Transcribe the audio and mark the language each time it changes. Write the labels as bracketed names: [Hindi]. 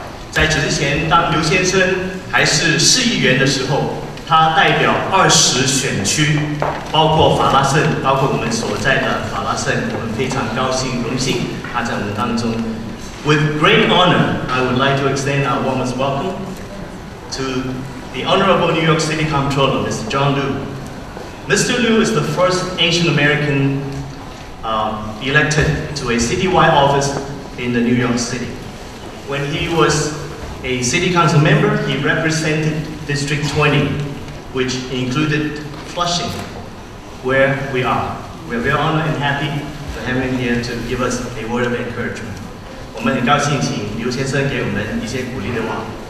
[Chinese] 在之前当刘先生还是市议员的时候他代表20选区包括法拉盛包括我们所在的法拉盛我们非常高兴荣幸他在我们当中 [English] With great honor I would like to extend our warmest welcome to the Honorable New York City Comptroller Mr. John Liu Mr. Liu is the first Asian American elected to a citywide office in the New York City when he wasA city council member, he represented District 20, which included Flushing, where we are. We are very honored and happy to have him here to give us a word of encouragement. [Chinese] 我们很高兴请刘先生给我们一些鼓励的话。